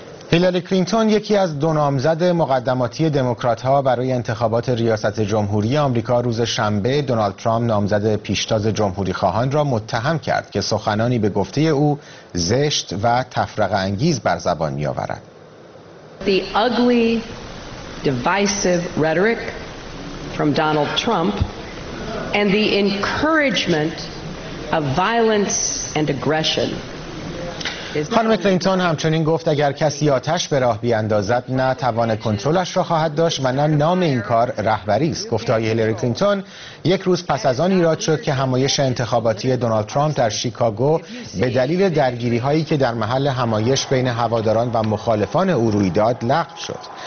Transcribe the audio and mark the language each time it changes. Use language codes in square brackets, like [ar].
[fa] هیلاری کلینتون یکی از دو نامزد مقدماتی دموکرات‌ها برای انتخابات ریاست جمهوری آمریکا روز شنبه دونالد ترامپ نامزد پیشتاز جمهوری‌خواهان را متهم کرد که سخنانی به گفته او زشت و تفرقه انگیز بر زبان می‌آورد. [en] The ugly divisive rhetoric from Donald Trump and the encouragement of violence and aggression. [fa] خانم کلینتون همچنین گفت اگر کسی آتش به راه بیاندازد نه توان کنترلش را خواهد داشت و نه نام این کار رهبری است. گفته های هیلاری کلینتون یک روز پس از آن ایراد شد که همایش انتخاباتی دونالد ترامپ در شیکاگو به دلیل درگیری هایی که در محل همایش بین هواداران و مخالفان او روی داد لغو شد.